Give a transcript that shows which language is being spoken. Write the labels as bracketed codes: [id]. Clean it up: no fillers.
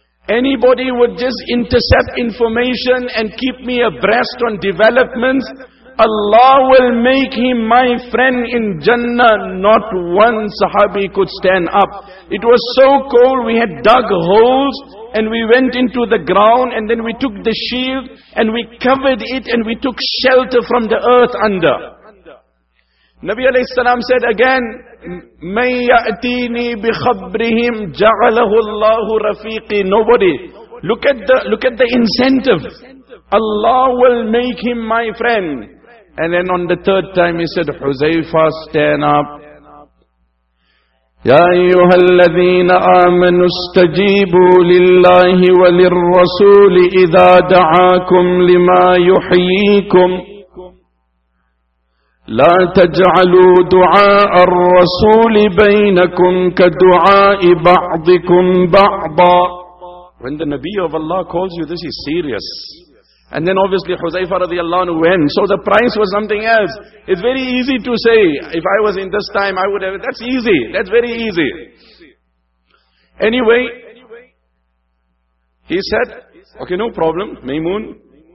[en] Anybody would just intercept information and keep me abreast on developments, Allah will make him my friend in Jannah. Not one sahabi could stand up. It was so cold, we had dug holes and we went into the ground, and then we took the shield and we covered it and we took shelter from the earth under. Nabi alayhi salam said again, [ar] مَنْ يَأْتِينِي بِخَبْرِهِمْ جَعَلَهُ اللَّهُ رَفِيقِي. [en] Nobody. Look at the incentive. Allah will make him my friend. And then on the third time he said, حُزَيْفَا, stand up. [ar] يَا أَيُّهَا الَّذِينَ آمَنُوا اسْتَجِيبُوا لِلَّهِ وَلِلرَّسُولِ إِذَا دَعَاكُمْ لِمَا يُحْيِيكُمْ لا تجعلوا دعاء الرسول بينكم كدعاء بعضكم بعضا. [en] When the Nabi of Allah calls you, this is serious. And then obviously Huzaifa radiallahu anhu went. So the price was something else. It's very easy to say, if I was in this time, I would have, that's easy. That's very easy. Anyway, he said, okay, no problem, Maymoon.